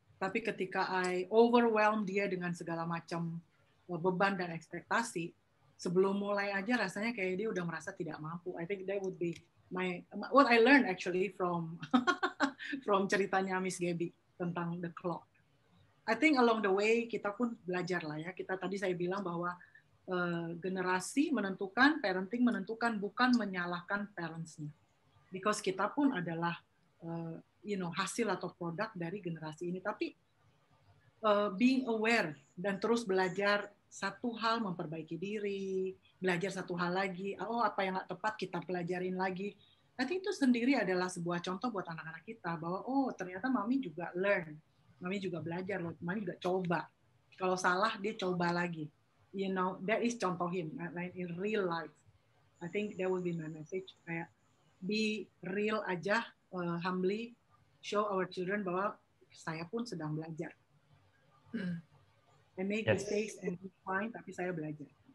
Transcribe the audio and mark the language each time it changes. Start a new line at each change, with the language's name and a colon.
Indonesian: Tapi ketika I overwhelm dia dengan segala macam beban dan ekspektasi, sebelum mulai aja rasanya kayak dia udah merasa tidak mampu.
English: I think that would be my what I learned actually from from ceritanya Miss Gabby tentang the clock.
Indonesian: I think along the way kita pun belajar lah ya. Kita tadi saya bilang bahwa generasi menentukan, parenting menentukan, bukan menyalahkan parents-nya. Because kita pun adalah you know, hasil atau produk dari generasi ini. Tapi being aware dan terus belajar satu hal, memperbaiki diri, belajar satu hal lagi, oh apa yang nggak tepat kita pelajarin lagi. I think itu sendiri adalah sebuah contoh buat anak-anak kita bahwa oh ternyata mami juga learn, mami juga belajar, mami juga coba. Kalau salah dia coba lagi.
English: You know, that is contoh him like in real life. I think that would be my message. Kayak be real aja, humbly show our children bahwa saya pun sedang belajar. I make mistakes and be fine, tapi saya belajar.